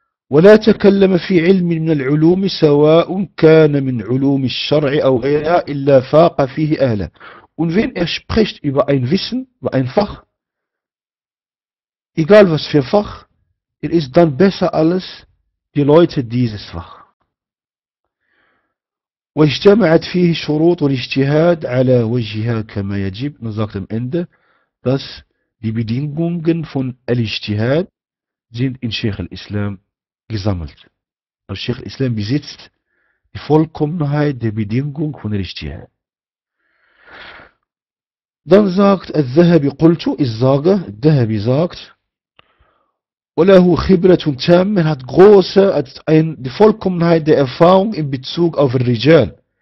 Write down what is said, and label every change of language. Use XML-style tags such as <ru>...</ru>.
<ar>وَلَا تَكَلَّمَ فِي عِلْمٍ مِنَ الْعُلُومِ سَوَاءٌ كَانَ مِنْ عُلُومِ الشَّرْعِ أَوْ غَيْرَهَا إِلَّا فَاقَ فِيهِ أَهْلًا.</ar> <de>Und wenn er spricht über ein Wissen, über ein Fach, egal was für Fach, es ist dann besser als die Leute dieses Fach.</de> <ar>واجتمعت فيه شروط الاجتهاد على وجهها كما يجب.</ar> <de>Man sagt am Ende, dass die Bedingungen von Al-Ijtihad sind in Sheikh al-Islam gesammelt. Also Sheikh al-Islam besitzt die Vollkommenheit der Bedingung von Al-Ijtihad. Dann sagt Al-Zahabi</de> <ar>قلت,</ar> <de>ich sage, Al-Zahabi sagt,</de> <ar>وله خبرة تامة</ar> <de>hat große die Vollkommenheit der Erfahrung in Bezug auf الرجال</de>